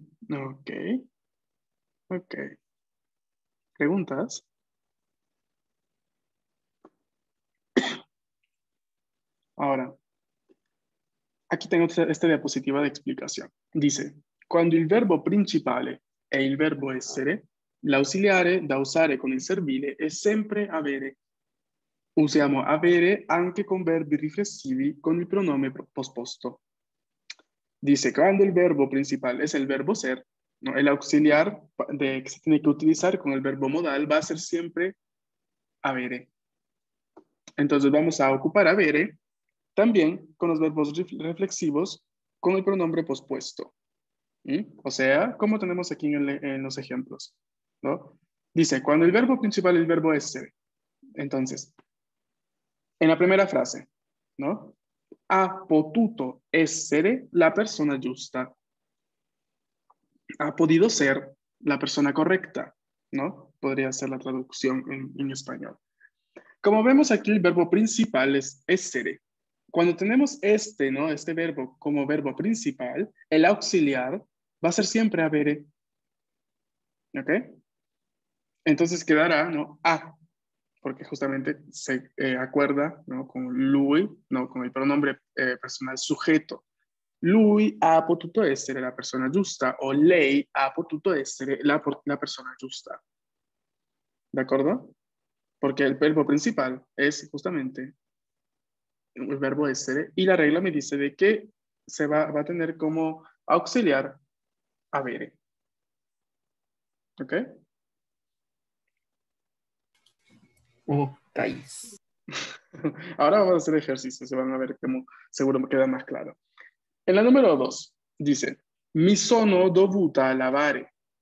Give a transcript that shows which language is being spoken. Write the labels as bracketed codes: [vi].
[es] Ok. ¿Preguntas? Ahora, aquí tengo esta diapositiva de explicación. Dice, cuando [it] il verbo principale è il verbo essere, l'ausiliare da usare con il servile è sempre avere. Usiamo avere anche con verbi riflessivi con il pronome posposto. [es] Dice, cuando el verbo principal es el verbo ser, ¿no? El auxiliar que se tiene que utilizar con el verbo modal va a ser siempre avere. Entonces vamos a ocupar avere también con los verbos reflexivos con el pronombre pospuesto. ¿Sí? O sea, como tenemos aquí en los ejemplos, ¿no? Dice, cuando el verbo principal es el verbo essere. Entonces, en la primera frase, ¿no? [it] Ha potuto essere la persona giusta. [es] Ha podido ser la persona correcta, ¿no? Podría ser la traducción en español. Como vemos aquí, el verbo principal es essere. Cuando tenemos este, ¿no? Este verbo como verbo principal, el auxiliar va a ser siempre avere. ¿Ok? Entonces quedará, ¿no? Ha. Porque justamente se acuerda, ¿no? Con lui, ¿no? Con el pronombre personal sujeto. [it] Lui ha potuto essere la persona giusta. O lei ha potuto essere la persona giusta. [es] ¿De acuerdo? Porque el verbo principal es justamente el verbo essere. Y la regla me dice de que se va a tener como auxiliar avere. ¿Ok? Okay. Ahora vamos a hacer ejercicios, se van a ver cómo seguro queda más claro. En la número 2 dice: [it] mi sono dovuta lavare.